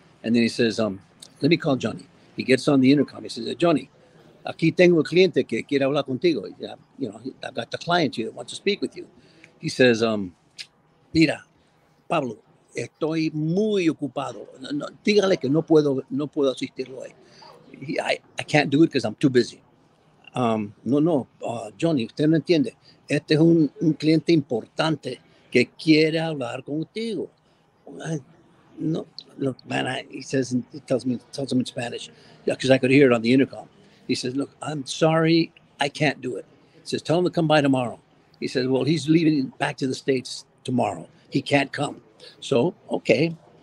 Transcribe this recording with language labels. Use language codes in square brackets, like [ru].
[en] And then he says, let me call Johnny. He gets on the intercom. He says, Johnny, [es] aquí tengo un cliente que quiere hablar contigo. [en] Yeah, you know, I've got the client here that wants to speak with you. He says, [es] mira, Pablo, estoy muy ocupado. Dígale que no puedo asistirlo hoy. [en] I can't do it because I'm too busy. [es] Johnny, usted no entiende. Este es un cliente importante que quiere hablar contigo. [en] No, look, man, he tells him in Spanish, yeah, because I could hear it on the intercom. He says, look, I'm sorry, I can't do it. He says, tell him to come by tomorrow. He says, well, he's leaving back to the States tomorrow. He can't come. So, okay.